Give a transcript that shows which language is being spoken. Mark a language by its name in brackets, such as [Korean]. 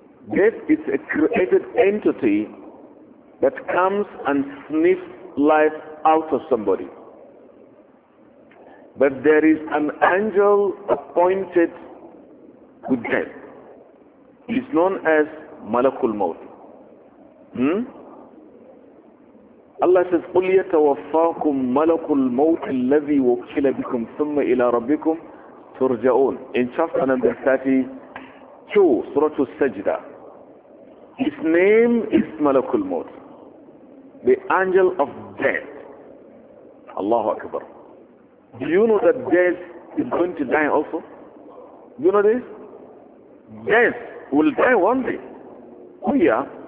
[English] Death is a created entity that comes and sniffs life out of somebody. But there is an angel appointed to death. He's known as Malakul Maut. Allah says, [Arabic] قُلْ يَتَوَفَّاكُمْ مَلَكُ الْمَوْتِ الَّذِي وُكِّلَ بِكُمْ ثُمَّ إِلَىٰ رَبِّكُمْ تُرْجَعُونَ. [English] In chapter number 32, Surah Al-Sajda. His name is Malakul Maut, the angel of death. Allahu Akbar. Do you know that death is going to die also? Do you know this? Death will die one day. Oh yeah.